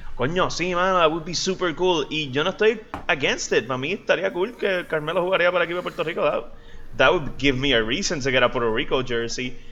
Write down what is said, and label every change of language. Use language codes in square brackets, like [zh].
[es] Coño, sí, mano, [en] that would be super cool. [es] Y yo no estoy [en] against it. [es] Para mí estaría cool que Carmelo jugaría para el equipo de Puerto Rico. [en] That would give me a reason to get a Puerto Rico jersey.